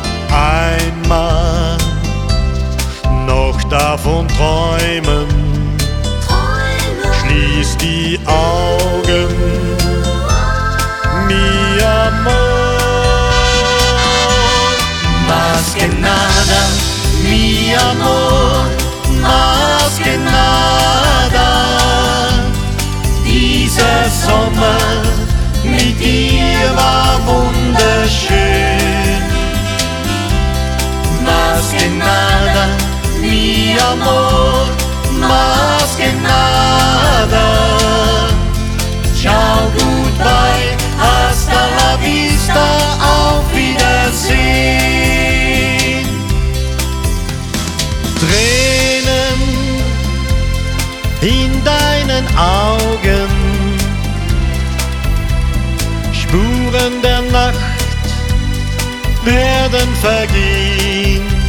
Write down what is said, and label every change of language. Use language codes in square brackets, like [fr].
[de] Einmal noch davon träumen, schließ die Augen, [es] mi amor. Más que nada, mi amor, más que nada. [de] Dieser Sommer mit dir war wunderschön. [es] Más que nada, mi amor, más que nada. [it] Ciao, [en] goodbye, [es] hasta la vista, [de] auf Wiedersehen. Tränen in deinen Augen, Spuren der Nacht werden vergehen.